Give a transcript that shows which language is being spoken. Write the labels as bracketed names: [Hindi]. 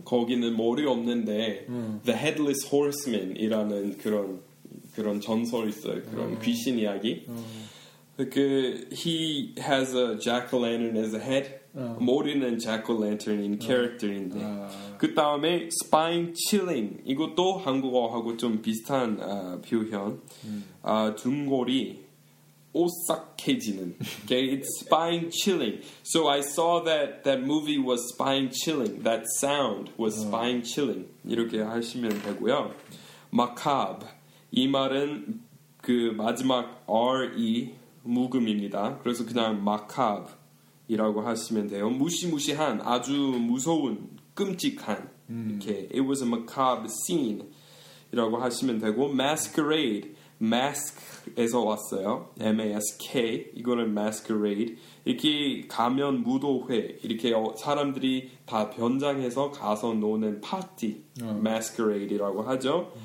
[Korean] 거기는 머리 없는데 The Headless Horseman 이라는 그런 전설 있어요 그런 귀신 이야기 그 [English] He has a jack-o'-lantern as a head [Korean] 머리는 jack-o'-lantern in character인데 그 다음에 spine chilling 이것도 한국어하고 좀 비슷한 표현 둔골이 오싹해지는 okay? [English] It's spine chilling So I saw that movie was spine chilling That sound was spine chilling [Korean] 이렇게 하시면 되고요 macabre 이 말은 그 마지막 re 묵음입니다 그래서 그냥 macabre 이라고 하시면 돼요. 무시무시한, 아주 무서운, 끔찍한. [English] 이렇게 It was a macabre scene. [Korean] 이라고 하시면 되고 Masquerade. Mask에서 왔어요. M-A-S-K. 이거는 Masquerade. 이렇게 가면 무도회. 이렇게 사람들이 다 변장해서 가서 노는 파티. Masquerade이라고 하죠.